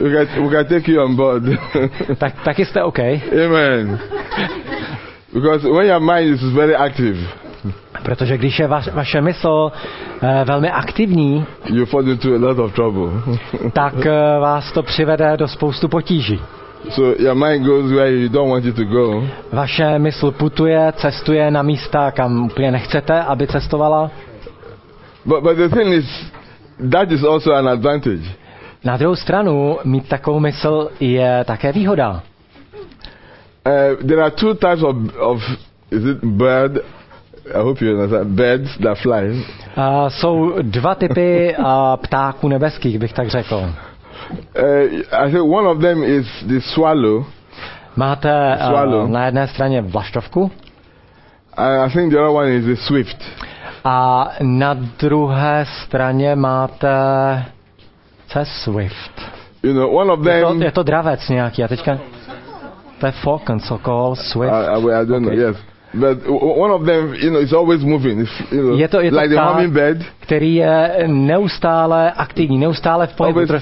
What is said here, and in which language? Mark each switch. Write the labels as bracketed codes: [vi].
[en] We can take you on board. [cs] Taky jste okay. [en] Amen. Because when your mind is very active. [cs] Protože když je vaše mysl velmi aktivní, [en] you fall into a lot of trouble. [cs] Tak vás to přivede do spoustu potíží. [en] So your mind goes where you don't want it to go. [cs] Vaše mysl putuje, cestuje na místa, kam úplně nechcete, aby cestovala. [en] But the thing is, that is also an advantage. [cs] Na druhou stranu, mít takovou mysl je také výhoda. [en] There are two types of is it bird? I hope you understand. Birds that fly. [cs] Jsou dva typy ptáků nebeských, bych tak řekl. [en] I think one of them is the swallow. [cs] Máte na jedné straně vlaštovku. [en] I think the other one is the swift. [cs] A na druhé straně máte co je swift? [en] You know, one of them. [cs] Je to dravec nějaký. A teďka to je falcon, sokol, swift. [en] I don't know. Yes. But one of them, you know, is always moving. It's, you know, [cs] je to [en] like the hummingbird. [cs] Který je neustále aktivní, neustále v pohybu.